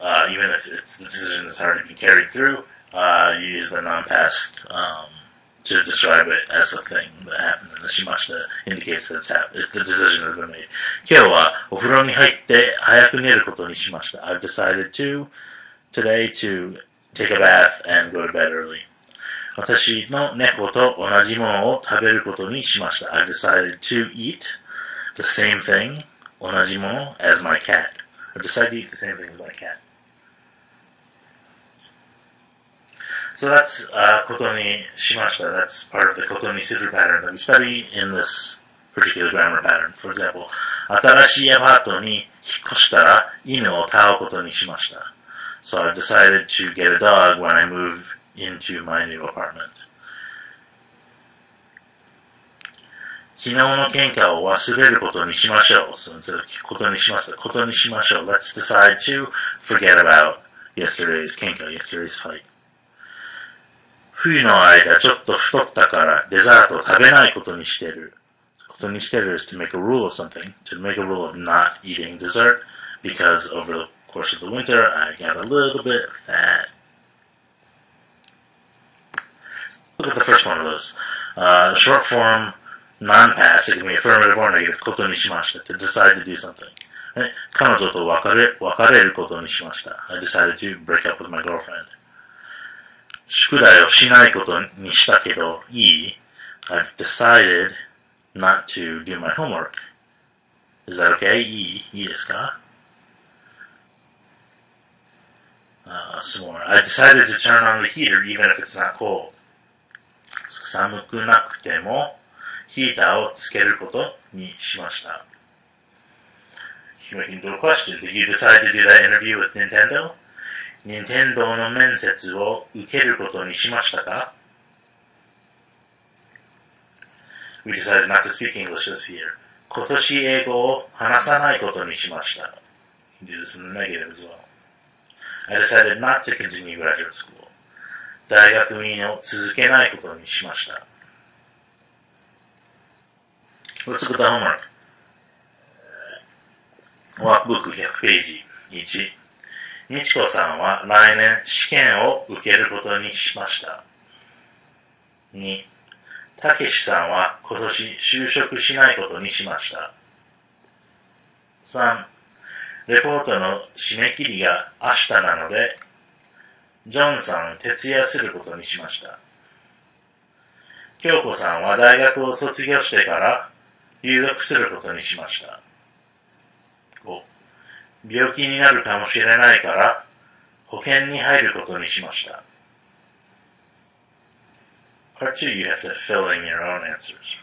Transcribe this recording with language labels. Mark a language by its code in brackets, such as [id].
[en] Even if it's, the decision has already been carried through,you use the non-past to describe it as a thing that happened, and the shimashita indicates that the decision has been made. [ja] 今日はお風呂に入って早く寝ることにしました。 [en] I've decided today to take a bath and go to bed early. [ja] 私の猫と同じものを食べることにしました。 [en] I've decided to eat the same thing, [ja] 同じもの, [en] as my cat. I've decided to eat the same thing as my cat. So that's ことにしました.That's part of the ことにする pattern that we study in this particular grammar pattern. For example, [ja] 新しいアパートに引っ越したら犬を飼うことにしました. [en] So I've decided to get a dog when I move into my new apartment. [ja] 昨日の喧嘩を忘れることにしましょう。 [en] So instead of [ja] ことにしました、ことにしましょう。 [en] Let's decide to forget about yesterday's 喧嘩, yesterday's fight. [ja] 冬の間ちょっと太ったからデザートを食べないことにしてる。 [en] ことにしてる is to make a rule of something. To make a rule of not eating dessert because over the course of the winter I got a little bit fat. Look at the first one of those. Short form non-pass, it can be affirmative or negative, ことにしました, to decide to do something. [ja] 彼女と別れることにしました. [en] I decided to break up with my girlfriend. [ja] 宿題をしないことにしたけどいい? [en] I've decided not to do my homework. Is that okay? [ja] いいですか? [en] Some more. I decided to turn on the heater even if it's not cold. [ja] 寒くなくてもヒーターをつけることにしました。 [en] You're making a good question. Did you decide to do that interview with Nintendo? [ja] Nintendo の面接を受けることにしましたか? [en] We decided not to speak English this year. [ja] 今年英語を話さないことにしました。 [en] You can do this in the negative as well. I decided not to continue graduate school. [ja] 大学院を続けないことにしました。 [en] Let's look at the homework. [ja] Workbook 100 ページ1。みちこさんは来年試験を受けることにしました。 2。たけしさんは今年就職しないことにしました。 3。レポートの締め切りが明日なので、ジョンさん徹夜することにしました。京子さんは大学を卒業してから、留学することにしました。 5. 病気になるかもしれないから保険に入ることにしました。 [en] Part 2, you have to fill in your own answers.